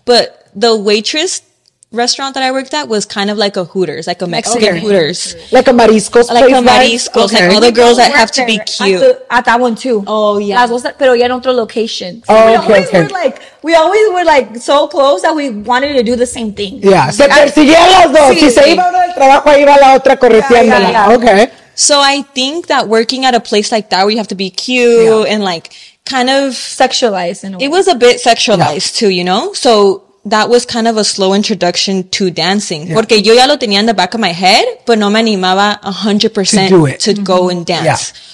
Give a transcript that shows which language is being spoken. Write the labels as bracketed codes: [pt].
[en] But the waitress restaurant that I worked at was kind of like a Hooters, like a Mexican Hooters. Like a Mariscos place. Like a Mariscos, like all the girls that have to be cute. At that one too. Oh yeah. [es] Pero ya en otro location. [en] Oh, we always were like so close that we wanted to do the same thing. Yeah. [es] Se persiguían las dos. Si se iba uno del trabajo, ahí iba la otra correteándola. [en] Okay. So I think that working at a place like that where you have to be cute and like kind of sexualized in a way. It was a bit sexualized too, you know? So that was kind of a slow introduction to dancing. Yeah. [es] Porque yo ya lo tenía [en] in the back of my head, but [es] no me animaba [en] 100% to go and dance. Yeah.